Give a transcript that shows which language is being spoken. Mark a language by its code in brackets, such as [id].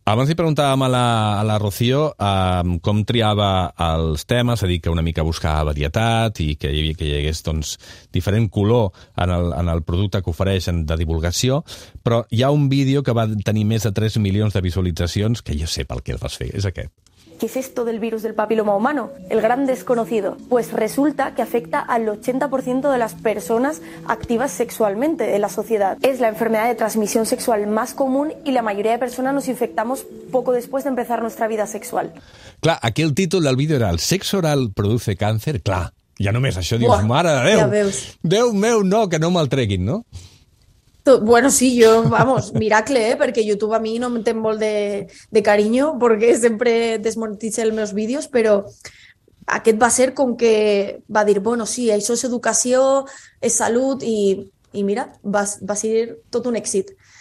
[ca] Abans li preguntàvem a la Rocío com triava els temes, a dir, que una mica buscava varietat i que hi hagués doncs, diferent color en el producte que ofereix de divulgació, però hi ha un vídeo que va tenir més de 3 milions de visualitzacions, que jo sé pel que el vas fer, és aquest. [es] ¿Qué es esto del virus del papiloma humano? El gran desconocido. Pues resulta que afecta al 80% de las personas activas sexualmente en la sociedad. Es la enfermedad de transmisión sexual más común y la mayoría de personas nos infectamos poco después de empezar nuestra vida sexual. [ca] Clar, aquí el títol del vídeo era: [es] el sexo oral produce cáncer. [ca] Clar, ja només això dius, mare de Déu. Ja veus. Déu meu, no, que no me'l treguin, no? [es] Bueno, sí, yo, vamos, miracle, ¿eh? Porque YouTube a mí no me tengo de cariño porque siempre desmonetiza mis vídeos, pero aquest va a ser con que va a decir, bueno, sí, eso es educación, es salud y mira, va a ser todo un éxito.